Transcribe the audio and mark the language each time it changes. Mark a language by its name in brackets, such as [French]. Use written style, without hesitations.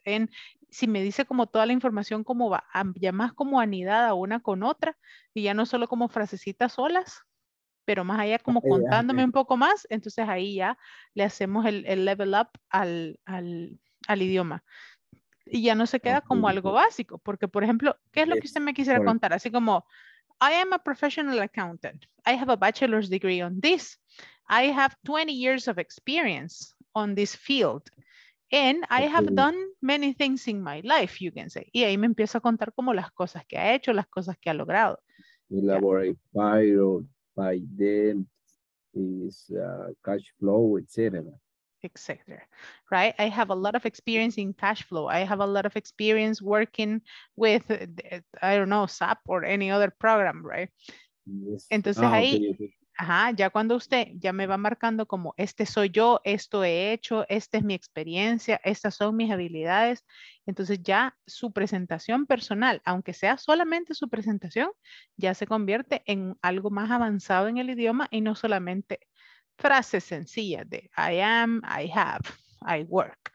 [Spanish] And si me dice como toda la información, como va, ya más como anidada una con otra, y ya no solo como frasecitas solas, pero más allá como contándome un poco más, entonces ahí ya le hacemos el [English] level up [Spanish] al idioma. Y ya no se queda como algo básico, porque por ejemplo, ¿qué es lo que usted me quisiera contar? Así como, [English] I am a professional accountant. I have a bachelor's degree on this. I have 20 years of experience on this field. And I have done many things in my life, you can say. [Spanish] Y ahí me empiezo a contar como las cosas que ha hecho, las cosas que ha logrado. [English] Elaborate by them, is cash flow, etc. Etc. Right? I have a lot of experience in cash flow. I have a lot of experience working with, I don't know, SAP or any other program, right? Yes. [Spanish] Entonces ya cuando usted ya me va marcando como este soy yo, esto he hecho, esta es mi experiencia, estas son mis habilidades. Entonces ya su presentación personal, aunque sea solamente su presentación, ya se convierte en algo más avanzado en el idioma y no solamente frase sencilla de [English] I am, I have, I work.